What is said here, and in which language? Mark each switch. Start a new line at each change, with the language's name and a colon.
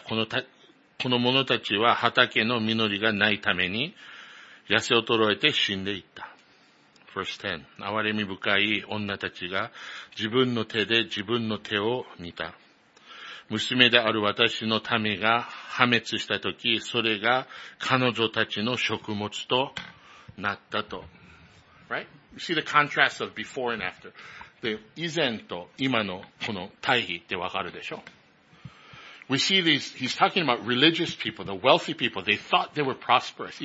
Japanese: この者たちは畑の実りがないために、痩せ衰えて死んでいった。
English: Verse 10。
Japanese: 哀れみ深い女たちが自分の手で自分の手を見た。娘である私の民が破滅したとき、それが彼女たちの食物となったと。Right?
English: You see the contrast of before and after.
Japanese: で、以前と今のこの対比ってわかるでしょ?
English: We see these, he's talking about religious people, the wealthy people, they thought they were prosperous.